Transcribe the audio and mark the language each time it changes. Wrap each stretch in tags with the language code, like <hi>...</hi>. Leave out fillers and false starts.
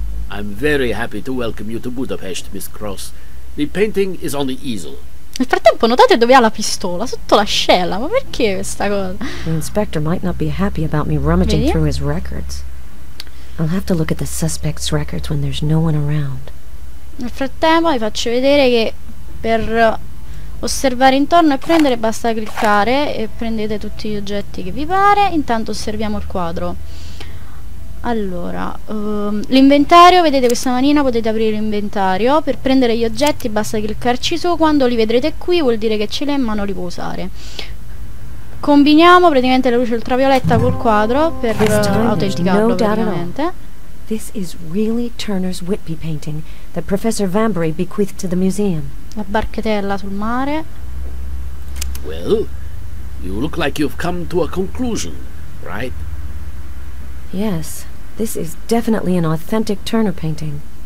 <en>I'm very happy to welcome you to Budapest, Miss Cross. The painting is on the easel.</en> <it>Nel frattempo notate dove ha la pistola? Sotto l'ascella. Ma perché questa cosa?</it> <en>The inspector might not be happy about me rummaging through his records. I'll have to look at the suspect's records when there's no one around.</en> <it>Nel frattempo vi faccio vedere che per osservare intorno e prendere basta cliccare e prendete tutti gli oggetti che vi pare. Intanto osserviamo il quadro. Allora, l'inventario, vedete questa manina, potete aprire l'inventario. Per prendere gli oggetti basta cliccarci su. Quando li vedrete qui vuol dire che ce l'è in mano, li può usare. Combiniamo praticamente la luce ultravioletta col quadro per autenticarlo praticamente.</it> <en>This is really Turner's Whitby painting that Professor Vanbury bequeathed to the museum.</en> <it>La barchetella sul mare.</it> <en>Well, you look like you've come to a conclusion, right? Yes, this is definitely an authentic Turner painting.</en>